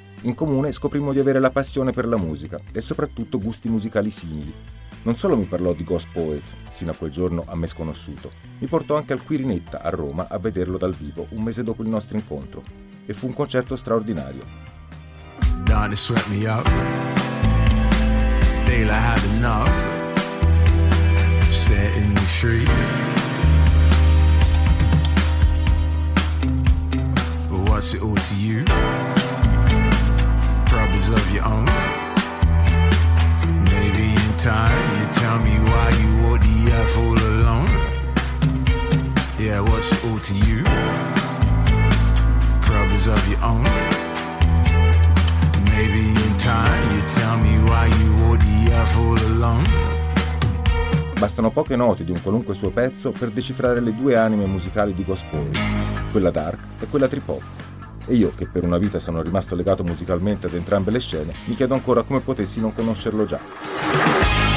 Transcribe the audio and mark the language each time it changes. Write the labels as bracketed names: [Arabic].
[Italian] In comune scoprimmo di avere la passione per la musica e soprattutto gusti musicali simili. Non solo mi parlò di Ghost Poet, sino a quel giorno a me sconosciuto, mi portò anche al Quirinetta a Roma a vederlo dal vivo un mese dopo il nostro incontro. E fu un concerto straordinario. [English] Donna swept me up. I had enough setting me free. But what's it all to you? Problems of your own. Maybe in time you tell me why you walk the earth all alone. Yeah, what's it all to you? Problems of your own. Maybe in time you tell me why you walk the earth all alone. [Italian] Bastano poche note di un qualunque suo pezzo per decifrare le due anime musicali di Ghost Poet, quella dark e quella trip-hop. E io, che per una vita sono rimasto legato musicalmente ad entrambe le scene, mi chiedo ancora come potessi non conoscerlo già. (Sussurra)